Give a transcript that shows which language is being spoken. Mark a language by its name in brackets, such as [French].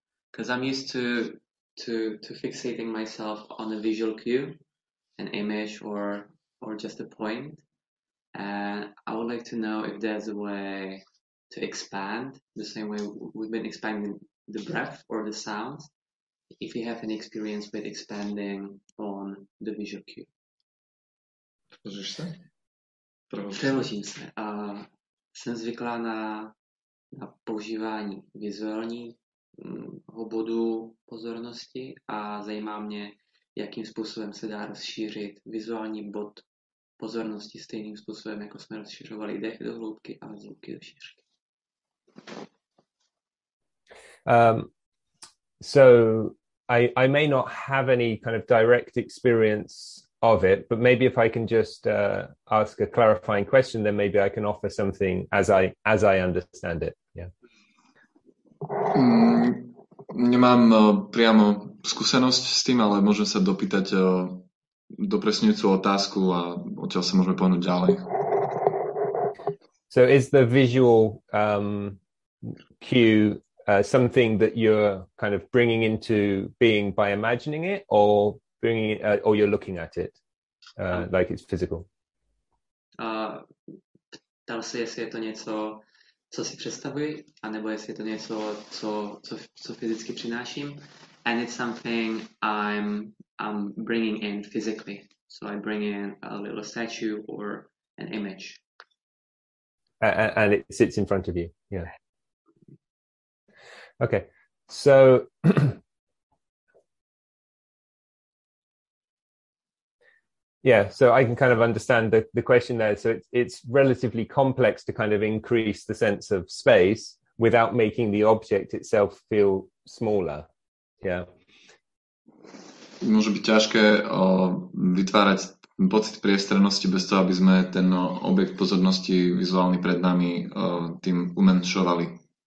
[English] Because I'm used to fixating myself on a visual cue, an image or just a point. And I would like to know if there's a way to expand the same way we've been expanding the breath or the sounds, if you have any experience with expanding on the visual cue. [Slovak] Preložím se. [Czech] Jsem zvyklá na používání vizuálního bodu pozornosti a zajímá mě, jakým způsobem se dá rozšířit vizuální bod pozornosti stejným způsobem, jako jsme rozšiřovali dech do hloubky a zvuky do šířky. [English] So I may not have any kind of direct experience of it, but maybe if I can just ask a clarifying question, then maybe I can offer something as I understand it. Yeah. [Slovak] Nemám priamo skúsenosť s tým, ale môžem sa dopýtať dopresňujúcu otázku a odtiaľ sa môžeme pohnúť ďalej. [English] So is the visual cue something that you're kind of bringing into being by imagining it, or bringing it, or you're looking at it like it's physical. [Czech] Ptal se, jestli je to něco, co si představuji, a nebo jestli je to něco, co fyzicky přináším, [English] and it's something I'm bringing in physically. So I bring in a little statue or an image. And it sits in front of you. Yeah. Okay. So yeah, so I can kind of understand the question there. So it's relatively complex to kind of increase the sense of space without making the object itself feel smaller. Yeah. [Slovak] Môže byť ťažké vytvárať pocit priestrannosti bez toho, aby sme ten objekt pozornosti vizuálny pred nami tým umenšovali.